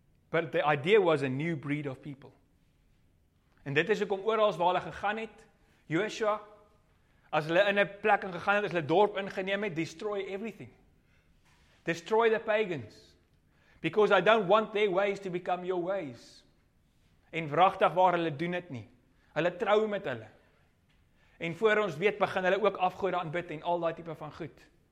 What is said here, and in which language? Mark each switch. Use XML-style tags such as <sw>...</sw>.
<en>But the idea was a new breed of people.</en> <af>En dit is hoekom oral waar hulle gegaan het, Joshua, as hulle in 'n plek ingegaan het, as hulle dorp ingeneem het,</af> <en>destroy everything. Destroy the pagans. Because I don't want their ways to become your ways.</en> <af>En wragtig waar hulle doen dit nie. Hulle trou met hulle. En voor ons weet begin hulle ook afgode aanbid en al daai tipe van goed.</af>